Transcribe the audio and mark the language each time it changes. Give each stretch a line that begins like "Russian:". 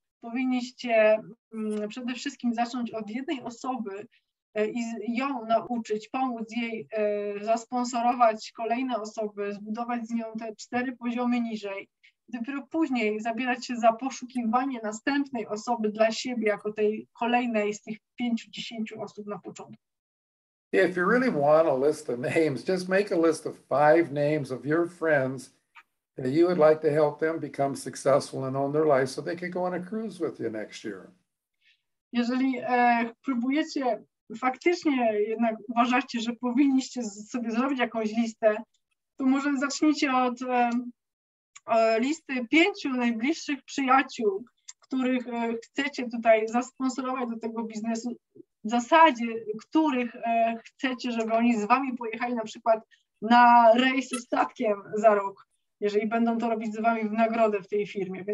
Polish: Powinniście przede wszystkim zacząć od jednej osoby i ją nauczyć, pomóc jej zasponsorować kolejne osoby, zbudować z nią te cztery poziomy niżej. Dopiero później zabierać się za poszukiwanie następnej osoby dla siebie jako tej kolejnej z tych 5-10 osób na początku.
English: If you really want a list of names, just make a list of 5 names of your friends that you would like to help them become successful and own their life so they can go on a cruise with you next year.
Polish: Jeżeli próbujecie, faktycznie jednak uważacie, że powinniście sobie zrobić jakąś listę, to może zacznijcie od listy 5 najbliższych przyjaciół, których chcecie tutaj zasponsorować do tego biznesu, w zasadzie których chcecie, żeby oni z wami pojechali na przykład na rejs statkiem za rok, jeżeli będą to robić z wami w nagrodę w tej firmie.